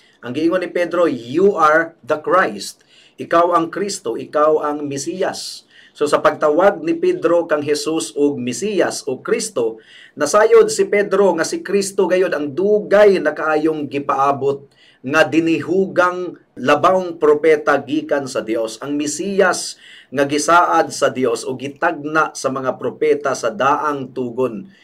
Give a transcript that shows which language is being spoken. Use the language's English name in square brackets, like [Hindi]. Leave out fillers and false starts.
[Cebuano] Ang giingon ni Pedro, [English] "You are the Christ." [Cebuano] Ikaw ang Kristo, ikaw ang Mesiyas. So sa pagtawag ni Pedro kang Jesus ug Mesiyas o Kristo, nasayod si Pedro nga si Kristo gayod ang dugay na kaayong gipaabot nga dinihugang labaw propeta gikan sa Dios, ang Mesiyas nga gisaad sa Dios o gitagna sa mga propeta sa daang tugon.